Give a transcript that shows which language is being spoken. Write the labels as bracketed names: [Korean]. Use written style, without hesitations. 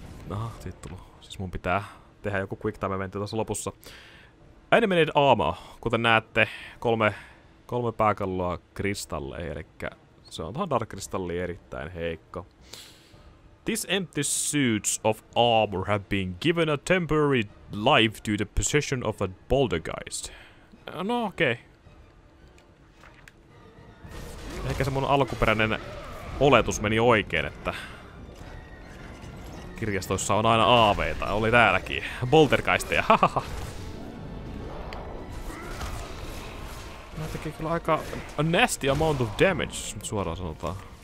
[Finnish] Aha, siitä tullut. Siis mun pitää tehdä joku quick time eventti tässä lopussa. Animated armor, kuten näette, kolme pääkalloa kristalleja, eli se on tähän Dark Crystalliin erittäin heikko. [English] These empty suits of armor have been given a temporary life due to the possession of a poltergeist. [Finnish] No okei. [English] Okay. [Finnish] Ehkä se mun alkuperäinen oletus meni oikein, että kirjastoissa on aina aaveita. Oli täälläkin. Poltergeisteja, hahaha. Mä teki kyllä aika [English] a nasty amount of damage, [Finnish] suoraan sanotaan.